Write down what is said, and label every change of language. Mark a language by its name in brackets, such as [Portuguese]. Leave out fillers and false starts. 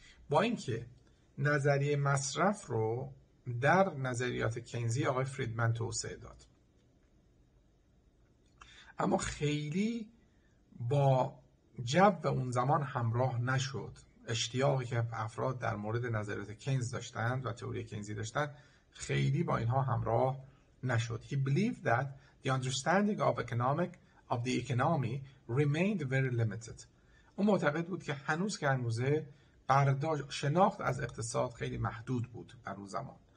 [Persian] با اینکه نظریه مصرف رو در نظریات کینزی آقای فریدمن توسعه داد، اما خیلی با جو و اون زمان همراه نشد. اشتیاقی که افراد در مورد نظریات کینز داشتند و تئوری کینزی داشتند خیلی با اینها همراه نشد. [English] He believed that the understanding of the economy remained very limited. [Persian] او معتقد بود که هنوز که هنوزه برداشت شناخت از اقتصاد خیلی محدود بود در اون زمان.